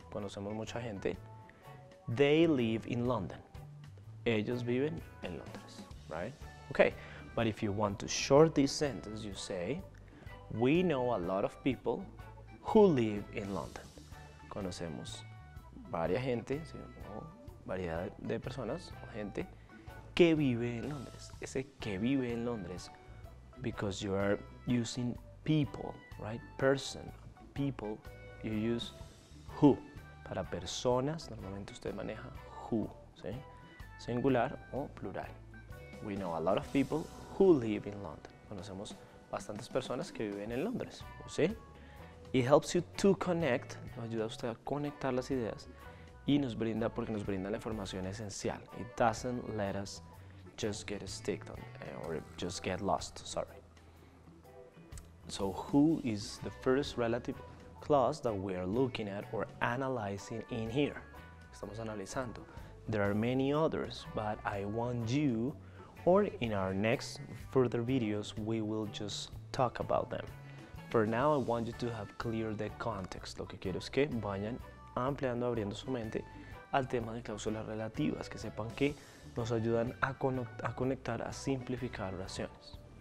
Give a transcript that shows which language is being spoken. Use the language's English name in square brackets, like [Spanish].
[Spanish] Conocemos mucha gente. [English] They live in London. [Spanish] Ellos viven en Londres, right? [English] Okay, but if you want to short this sentence, you say, we know a lot of people who live in London. [Spanish] Conocemos varia gente, ¿sí? O variedad de personas o gente que vive en Londres. Ese que vive en Londres, [English] because you are using people, right? Person, people, you use who. [Spanish] Para personas, normalmente usted maneja who, ¿sí? Singular o plural. [English] We know a lot of people who live in London. [Spanish] Conocemos bastantes personas que viven en Londres, ¿sí? [English] It helps you to connect, [Spanish] nos ayuda a usted a conectar las ideas. Y nos brinda, porque nos brinda la información esencial. [English] It doesn't let us just get sticked on, or just get lost, sorry. So who is the first relative clause that we are looking at or analyzing in here? [Spanish] Estamos analizando. [English] There are many others, but I want you, or in our next further videos, we will just talk about them. For now, I want you to have clear the context. [Spanish] Lo que quiero es que vayan ampliando, abriendo su mente al tema de cláusulas relativas, que sepan que nos ayudan a conectar, a simplificar oraciones.